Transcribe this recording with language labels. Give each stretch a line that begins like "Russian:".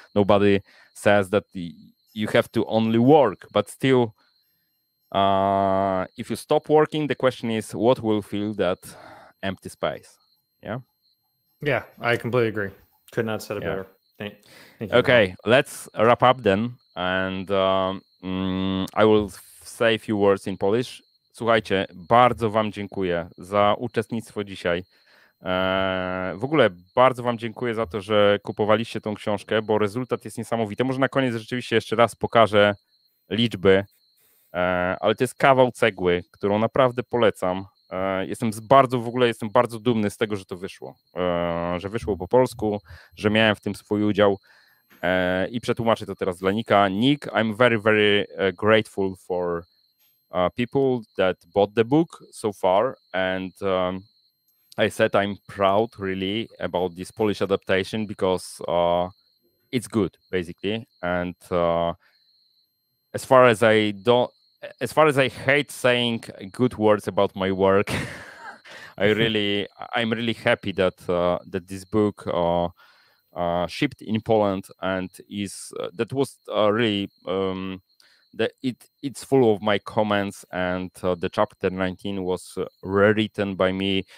English: Nobody says that you have to only work, but still, if you stop working, the question is, what will fill that empty space? Yeah. Yeah, I completely agree. Could not said it better. Thank you. Okay, let's wrap up then. And I will say a few words in Polish.
Polish: Słuchajcie, bardzo wam dziękuję za uczestnictwo dzisiaj. W ogóle bardzo wam dziękuję za to, że kupowaliście tą książkę, bo rezultat jest niesamowity. Może na koniec rzeczywiście jeszcze raz pokażę liczby, ale to jest kawał cegły, którą naprawdę polecam. Jestem bardzo dumny z tego, że to wyszło. Że wyszło po polsku, że miałem w tym swój udział. I przetłumaczę to teraz dla Nicka.
English: Nick, I'm very, very grateful for people that bought the book so far. And I said I'm proud, really, about this Polish adaptation because it's good, basically. And as far as I don't, as far as I hate saying good words about my work, I'm really happy that that this book shipped in Poland and is that was really that it's full of my comments, and the chapter 19 was rewritten by me.